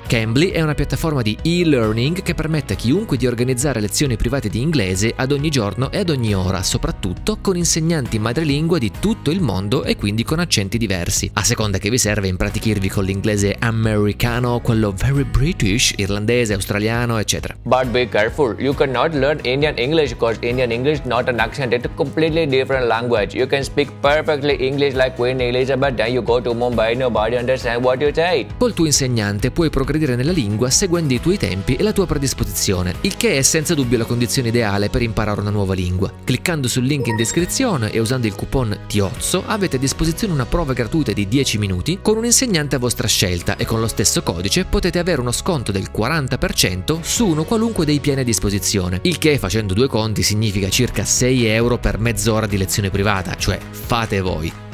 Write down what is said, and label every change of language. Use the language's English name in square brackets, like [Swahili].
[Italian] Cambly è una piattaforma di e-learning che permette a chiunque di organizzare lezioni private di inglese ad ogni giorno e ad ogni ora, soprattutto con insegnanti madrelingua di tutto il mondo e quindi con accenti diversi. A seconda che vi serve impratichirvi con l'inglese americano, quello very British, irlandese, australiano, eccetera. [English] But be careful, you cannot learn Indian English because Indian English is not an accent, it's a completely different language. You can speak perfectly English like Queen Elizabeth, then you go to Mumbai, nobody understand what you say. [Italian] Col tuo insegnante puoi progredire nella lingua seguendo i tuoi tempi e la tua predisposizione, il che è senza dubbio la condizione ideale per imparare una nuova lingua. Cliccando sul link in descrizione e usando il coupon TIOZZO avete a disposizione una prova gratuita di 10 minuti con un insegnante a vostra scelta e con lo stesso codice potete avere uno sconto del 40% su uno qualunque dei piani a disposizione, il che facendo due conti significa circa 6 euro per mezz'ora di lezione privata, cioè fate voi.